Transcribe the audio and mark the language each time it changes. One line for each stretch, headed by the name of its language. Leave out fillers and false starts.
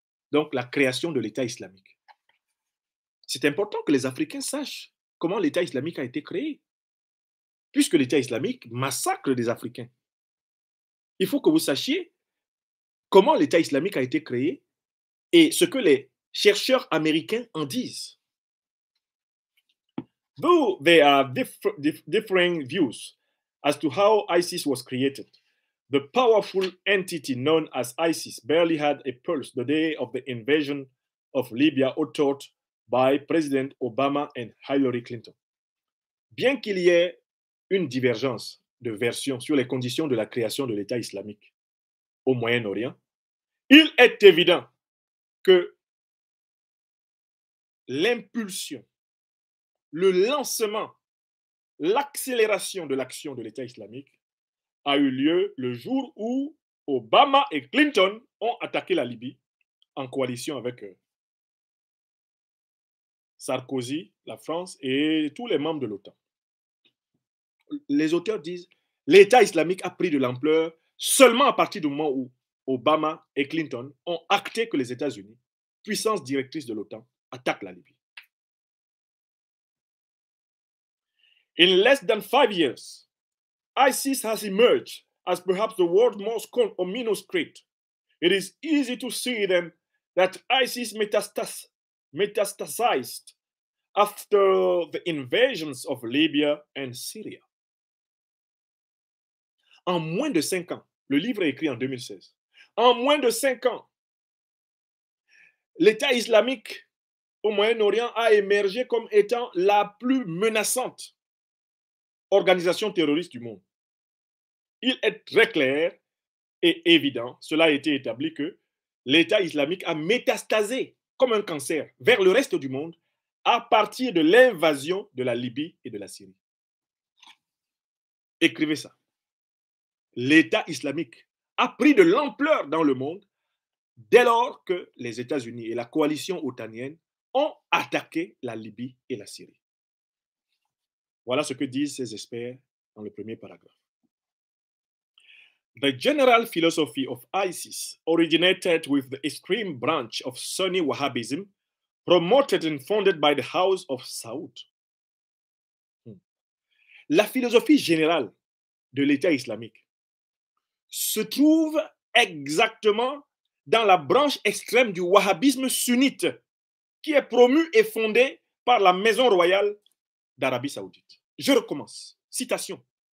French: Donc, la création de l'État islamique. C'est important que les Africains sachent comment l'État islamique a été créé. Puisque l'État islamique massacre des Africains. Il faut que vous sachiez comment l'État islamique a été créé et ce que les chercheurs américains en disent.
English: Though there are differing views as to how ISIS was created, the powerful entity known as ISIS barely had a pulse the day of the invasion of Libya authored by President Obama and Hillary Clinton.
French: Bien qu'il y ait une divergence de version sur les conditions de la création de l'État islamique au Moyen-Orient, il est évident que l'impulsion, le lancement, l'accélération de l'action de l'État islamique a eu lieu le jour où Obama et Clinton ont attaqué la Libye en coalition avec Sarkozy, la France et tous les membres de l'OTAN. Les auteurs disent que l'État islamique a pris de l'ampleur seulement à partir du moment où Obama et Clinton ont acté que les États-Unis, puissance directrice de l'OTAN, attaquent la Libye.
English: In less than 5 years, ISIS has emerged as perhaps the world's most ominous threat. It is easy to see then that ISIS metastasized after the invasions of Libya and Syria.
French: En moins de 5 ans, le livre est écrit en 2016. En moins de 5 ans, l'État islamique au Moyen-Orient a émergé comme étant la plus menaçante organisation terroriste du monde. Il est très clair et évident, cela a été établi, que l'État islamique a métastasé comme un cancer vers le reste du monde à partir de l'invasion de la Libye et de la Syrie. Écrivez ça. L'État islamique a pris de l'ampleur dans le monde dès lors que les États-Unis et la coalition otanienne ont attaqué la Libye et la Syrie. Voilà ce que disent ces experts dans le premier paragraphe.
English: The general philosophy of ISIS originated with the extreme branch of Sunni Wahhabism, promoted and founded by the House of Saud.
French: La philosophie générale de l'État islamique se trouve exactement dans la branche extrême du wahhabisme sunnite qui est promue et fondée par la maison royale d'Arabie Saoudite. Je recommence. Citation.